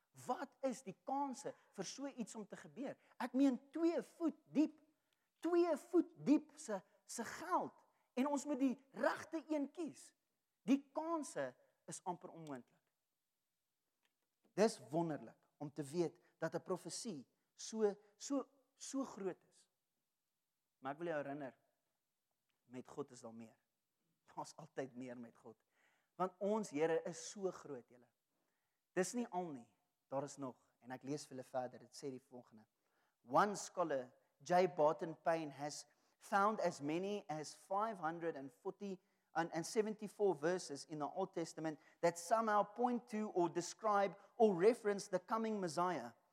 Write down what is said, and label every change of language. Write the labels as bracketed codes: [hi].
[af] Wat is die kanse vir so iets om te gebeur? Ek meen 2 voet diep, 2 voet diep se geld, en ons moet die regte een kies. Die kanse is amper onmoontlik. Dis wonderlik om te weet dat 'n profesie so groot is. Maar ek wil jou herinner, met God is daar meer. Daar's altyd meer met God. Want ons Here is so groot, julle. Dis nie al nie, daar is nog. En ek lees vir hulle verder, dit sê die volgende. [en] One scholar, J. Barton Payne, has found as many as 574 verses in the Old Testament that somehow point to or describe or reference the coming Messiah.